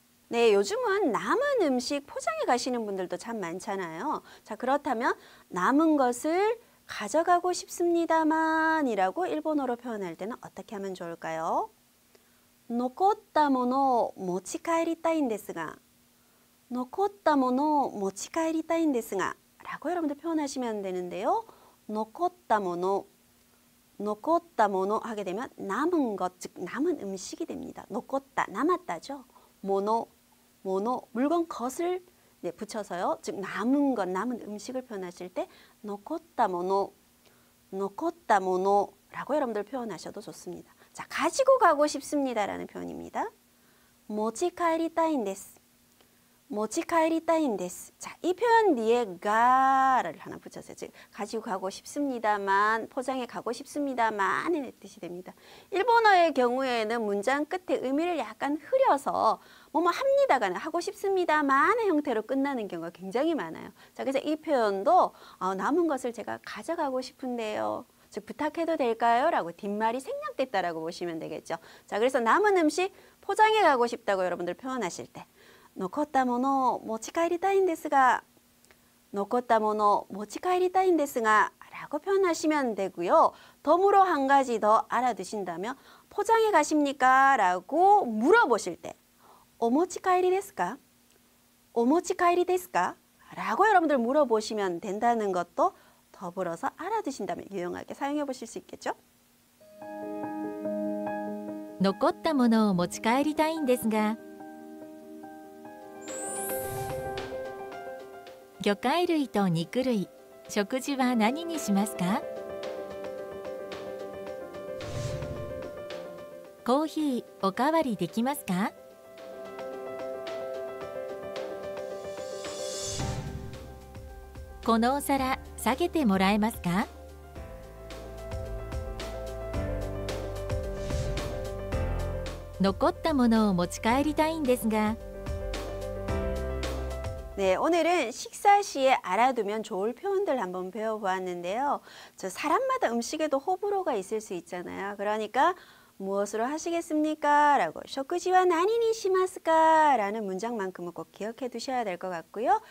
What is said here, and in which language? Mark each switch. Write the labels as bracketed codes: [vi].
[ko] 네, 요즘은 남은 음식 포장해 가시는 분들도 참 많잖아요. 자, 그렇다면 남은 것을 가져가고 싶습니다만이라고 일본어로 표현할 때는 어떻게 하면 좋을까요? [ja] 残ったものを持ち帰りたいんですが. 残ったものを持ち帰りたいんですが [ko] 라고 여러분들 표현하시면 되는데요. 残ったもの 놓고다 모노 하게 되면 남은 것, 즉 남은 음식이 됩니다. 놓고다 남았다죠. 모노 모노 물건 것을 네, 붙여서요. 즉 남은 것, 남은 음식을 표현하실 때 놓고다 모노 놓고다 모노라고 여러분들 표현하셔도 좋습니다. 자, 가지고 가고 싶습니다라는 표현입니다. 모치카에리타인데스 모치카에리타인데스. 자, 이 표현 뒤에 가를 하나 붙여서 즉 가지고 가고 싶습니다만 포장해 가고 싶습니다만의 뜻이 됩니다. 일본어의 경우에는 문장 끝에 의미를 약간 흐려서 뭐뭐 합니다가는 하고 싶습니다만의 형태로 끝나는 경우가 굉장히 많아요. 자, 그래서 이 표현도 남은 것을 제가 가져가고 싶은데요. 즉 부탁해도 될까요? 라고 뒷말이 생략됐다라고 보시면 되겠죠. 자, 그래서 남은 음식 포장해 가고 싶다고 여러분들 표현하실 때 [ja] 残ったものを持ち帰りたいんですが残ったものを持ち帰りたいんですが [ko] 라고 표현하시면 되고요. 덤으로 한 가지 더 알아두신다면 포장해 가십니까? 라고 물어보실 때 [ja] お持ち帰りですか? お持ち帰りですか? [ko] 라고 여러분들 물어보시면 된다는 것도 더불어서 알아두신다면 유용하게 사용해 보실 수 있겠죠? [ja] 残ったものを持ち帰りたいんですが 魚介類と肉類、食事は何にしますか? コーヒーおかわりできますか? このお皿下げてもらえますか? 残ったものを持ち帰りたいんですが [ko] 네, 오늘은 식사 시에 알아두면 좋을 표현들 한번 배워보았는데요. 저 사람마다 음식에도 호불호가 있을 수 있잖아요. 그러니까 무엇으로 하시겠습니까? 라고 쇼크지와 난이니 시마스까? 라는 문장만큼은 꼭 기억해 두셔야 될 것 같고요.